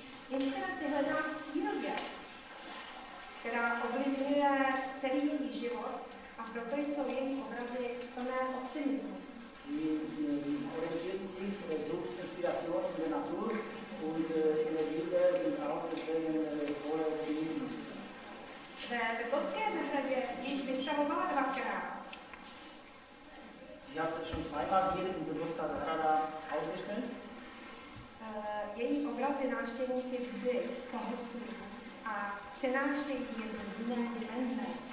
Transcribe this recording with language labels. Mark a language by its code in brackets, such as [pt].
[cs] Inspiraci hledá v přírodě, která ovlivňuje celý její život, a proto jsou její obrazy plné optimismu. [de] Sie orientiert sich, sucht Inspiration in der Natur und in der Wilde sind auch deswegen voller Optimismus. [cs] Ve Vrbovské zahradě již vystavovala dvakrát. [de] Sie hat schon zweimal hier in Vrbovská zahrada ausgestellt. [cs] Její obrazy návštěvníky vždy pohlcují a přenášejí je do jiné dimenze.